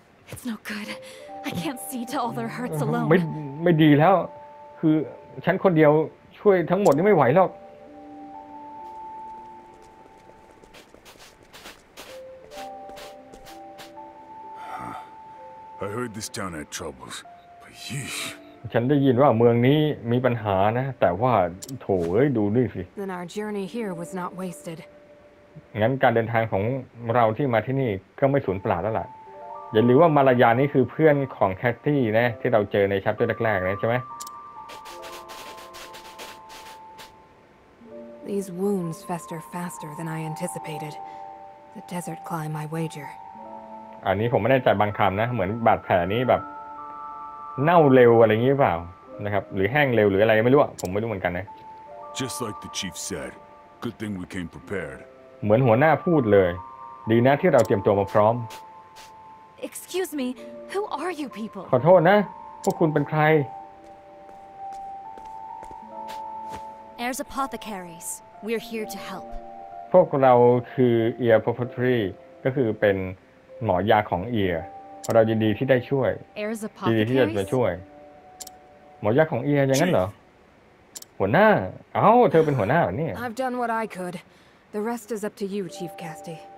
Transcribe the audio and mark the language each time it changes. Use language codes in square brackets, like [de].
[en] It's no good I can't see to all their hurts alone [th] ไม่ดีแล้วคือฉันคนเดียวช่วยทั้งหมดนี่ไม่ไหวหรอก [en] I heard this town had troubles, but yeesh. [th] ฉันได้ยินว่าเมืองนี้มีปัญหานะแต่ว่าโถเอ้ยดูนี่สิ [en] Then our journey here was not wasted. [th] งั้นการเดินทางของเราที่มาที่นี่ก็ไม่สูญเปล่าแล้วล่ะอย่าลืมว่ามารยานี่คือเพื่อนของแคทตี้นะที่เราเจอในชัปเตอร์แรกๆนะใช่ไหม [en] These wounds fester faster than I anticipated. The desert climb, I wager. [th] อันนี้ผมไม่แน่ใจบางคำนะเหมือนบาดแผลนี้แบบเน่าเร็วอะไรอย่างนี้เปล่านะครับหรือแห้งเร็วหรืออะไรไม่รู้ผมไม่รู้เหมือนกันนะ [en] Just like the chief said, good thing we came prepared. [th] เหมือนหัวหน้าพูดเลยดีนะที่เราเตรียมตัวมาพร้อม [en] Excuse me, who are you people? [th] ขอโทษนะพวกคุณเป็นใคร [en] Air's apothecaries. We're here to help. [th] พวกเราคือ Air Apothecary ก็คือเป็นหมอยาของเอียเรายินดีที่ได้ช่วยยิน ดี ที่จะมาช่วยหมอยาของเอียอย่างนั้นเหรอหัวหน้าเอ้าเธอเป็นหัวหน้าเหรอเนี่ย [en] I've done what I could. The rest is up to you, Chief Casty.